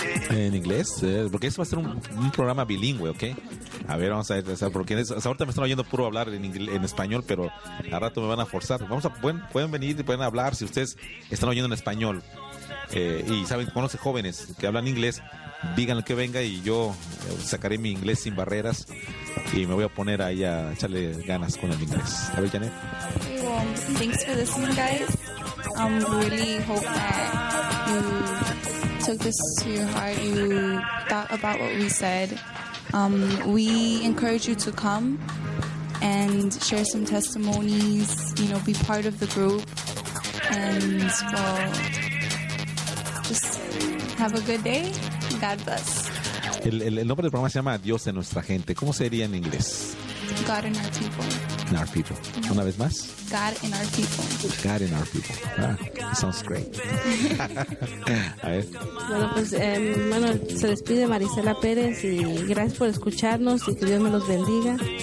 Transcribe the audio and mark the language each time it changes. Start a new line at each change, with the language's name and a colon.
Spanish: En inglés, porque eso va a ser un programa bilingüe, ¿ok? A ver, vamos a ver, porque ahorita me están oyendo puro hablar en español, pero al rato me van a forzar. Pueden venir y pueden hablar si ustedes están oyendo en español y saben, conocen jóvenes que hablan inglés, díganle que venga y yo sacaré mi inglés sin barreras y me voy a poner ahí a echarle ganas con el inglés. A ver, Janet.
English: Well, thanks for listening, guys. I'm really hope that took this to your heart, you thought about what we said. We encourage you to come and share some testimonies, you know, be part of the group, and well, just have a good day. God bless.
Spanish: El nombre del programa se llama Dios en nuestra gente. ¿Cómo sería en inglés?
English: God in our people. In our people. Yeah.
Spanish: Una vez más.
English: God in our people. God in our people. Sounds great.
Spanish: A ver. Bueno, pues, se despide Marisela Pérez y gracias por escucharnos y que Dios me los bendiga.